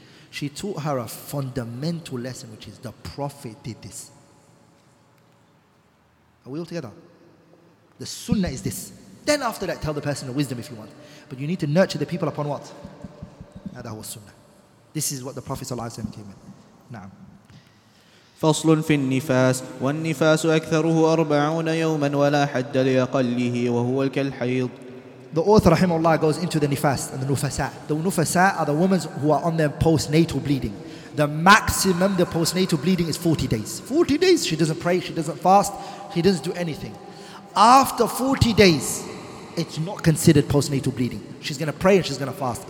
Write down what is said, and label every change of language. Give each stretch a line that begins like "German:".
English: She taught her a fundamental lesson, which is the Prophet did this. Are we all together? The sunnah is this. Then after that, tell the person the wisdom if you want. But you need to nurture the people upon what? That was sunnah. This is what the Prophet ﷺ came in. Na'am.
Arabic: فصل في النفاس والنفاس أكثره 40 يوما ولا حد لأقله وهو كالحيض.
English: The author rahimahullah goes into the nifas and the nufasa. The nufasa are the women who are on their postnatal bleeding. The maximum the postnatal bleeding is 40 days. 40 days she doesn't pray, she doesn't fast, she doesn't do anything. After 40 days, it's not considered postnatal bleeding. She's going to pray and she's going to fast.